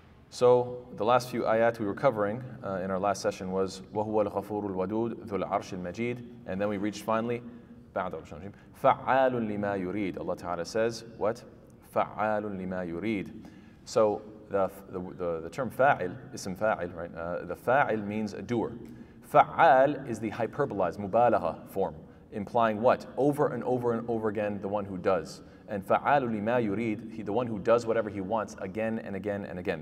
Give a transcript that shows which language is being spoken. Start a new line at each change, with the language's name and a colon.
English: So, the last few ayat we were covering in our last session was
Arabic: وَهُوَ الْغَفُورُ الْوَدُودُ ذُو الْعَرْشِ الْمَجِيدِ.
English: And then we reached finally
Arabic: بَعْدَ رَبْشَ الْمَجِيدِ فَعَالٌ لِمَا يُرِيدُ.
English: Allah Ta'ala says, what?
Arabic: فَعَالٌ لِمَا يُرِيدُ.
English: So, the term fa'il, ism fa'il, right? The fa'il means a doer. Fa'al is the hyperbolized, mubalagha form, implying what? Over and over and over again, the one who does. And fa'alu lima yurid, the one who does whatever he wants again and again and again.